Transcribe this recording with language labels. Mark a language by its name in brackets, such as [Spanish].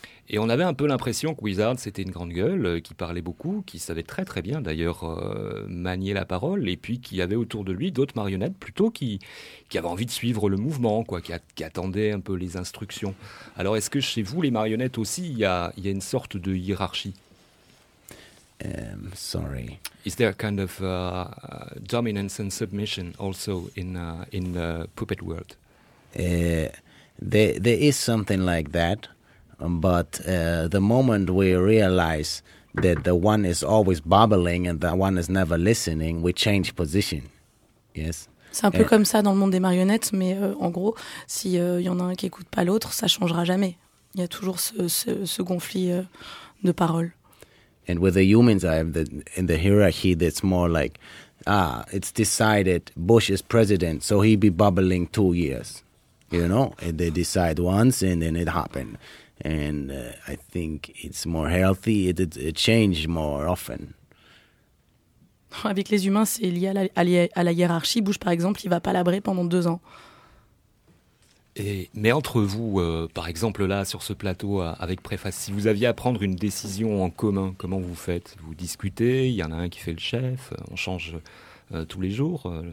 [French] Et on avait un peu l'impression que Wizard, c'était une grande gueule, qui parlait beaucoup, qui savait très très bien d'ailleurs manier la parole, et puis qu'il y avait autour de lui d'autres marionnettes plutôt qui avaient envie de suivre le mouvement, quoi, qui attendaient un peu les instructions. Alors est-ce que chez vous, les marionnettes aussi, il y a une sorte de hiérarchie? [English] Sorry. Is there a kind of dominance and submission also in the puppet world? There is something like that. But the moment we realize that the one is always babbling and the one is never listening, we change position. Yes. [French] C'est un peu comme ça dans le monde des marionnettes, mais en gros, si y en a un qui écoute pas l'autre, ça changera jamais. Il y a toujours ce conflit de parole. [English] And with the humans, I have in the hierarchy that's more like, it's decided Bush is president, so he be babbling 2 years. You know, and they decide once, and then it happened. And I think it's more healthy, it changes more often. [French] Avec les humains, c'est lié à la hiérarchie. Bush, par exemple, il ne va pas labrer pendant 2 ans. Mais entre vous, par exemple là, sur ce plateau, avec Préface, si vous aviez à prendre une décision en commun, comment vous faites? Vous discutez, il y en a un qui fait le chef, on change tous les jours.